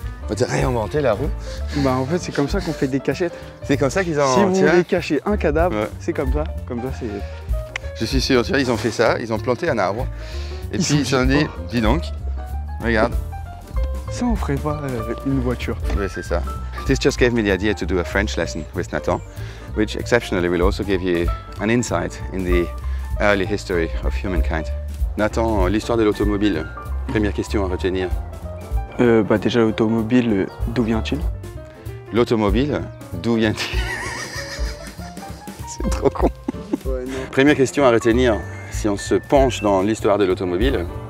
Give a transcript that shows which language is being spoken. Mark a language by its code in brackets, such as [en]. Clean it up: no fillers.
[fr] On dirait inventer la roue. Bah en fait c'est comme ça qu'on fait des cachettes. C'est comme ça qu'ils ont. Si vous voulez cacher un cadavre, ouais. C'est comme ça. Comme ça c'est. Je suis sûr, tu vois, ils ont fait ça, ils ont planté un arbre. Et ils puis ils se sont dit, dis donc, regarde. Ça on ferait pas une voiture. Oui c'est ça. [en] This just gave me the idea to do a French lesson with Nathan, which exceptionally will also give you an insight in the early history of humankind. [fr] Nathan, l'histoire de l'automobile, première question à retenir. Déjà l'automobile, d'où vient-il? L'automobile, d'où vient-il? C'est trop con. Première question à retenir, si on se penche dans l'histoire de l'automobile.